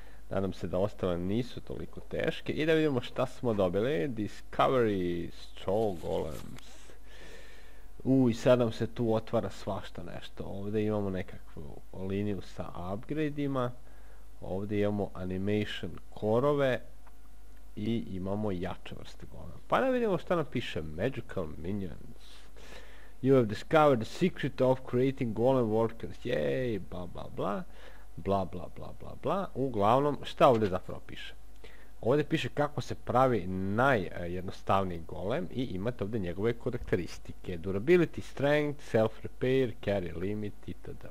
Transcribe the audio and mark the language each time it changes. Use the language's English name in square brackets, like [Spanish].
[Bosnian] Nadam se da ostale nisu toliko teške. I da vidimo šta smo dobili, Discovery Straw Golems. I sad nam se tu otvara svašta nešto. Ovdje imamo nekakvu liniju sa upgrade-ima. Ovdje imamo animation korove. I imamo jače vrste golema. Pa da vidimo šta nam piše. [English] Magical minions. You have discovered the secret of creating golem workers. Yay, bla bla bla. Bla bla bla bla bla. [Bosnian] Uglavnom, šta ovdje zapravo piše? Ovdje piše kako se pravi najjednostavniji golem i imate ovdje njegove karakteristike. [English] Durability, strength, self-repair, carry limit itd.